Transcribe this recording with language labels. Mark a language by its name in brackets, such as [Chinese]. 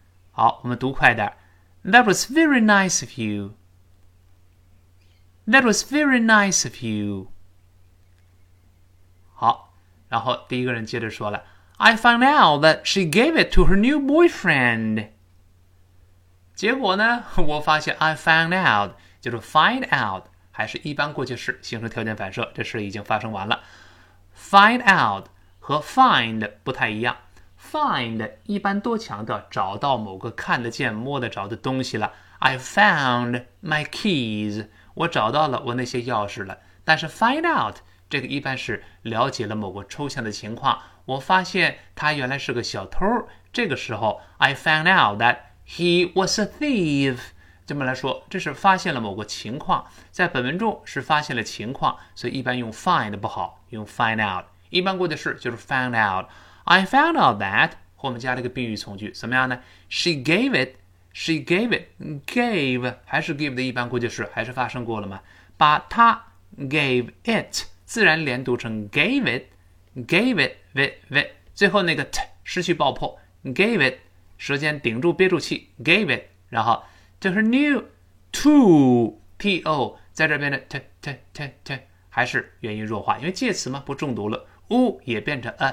[Chinese] 好，我们读快点。 [English] That was very nice of you. That was very nice of you. [Chinese] 好，然后第一个人接着说了， [English] I found out that she gave it to her new boyfriend. [Chinese] 结果呢，我发现 [English] I found out [Chinese] 就是 find out， 还是一般过去式，形成条件反射，这事已经发生完了。 Find out和 find 不太一样， find 一般多强调找到某个看得见摸得着的东西了。 [English] I found my keys， [Chinese] 我找到了我那些钥匙了。但是 find out 这个一般是了解了某个抽象的情况，我发现他原来是个小偷，这个时候 [English] I found out that he was a thief。 [Chinese] 这么来说，这是发现了某个情况，在本文中是发现了情况，所以一般用 find 不好，用 find out。一般过去式就是 found out。 [English] I found out that [Chinese] 和我们加了一个宾语从句，怎么样呢？ [English] She gave it， [Chinese] She gave it， gave 还是 give 的一般过去式，还是发生过了吗？把它 gave it 自然连读成 gave it， gave it， gave it， 最后那个 t 失去爆破， gave it， 舌尖顶住憋住气， gave it， 然后 to her new to to 在这边的 t t t t 还是元音弱化，因为介词嘛，不中毒了，哦，也变成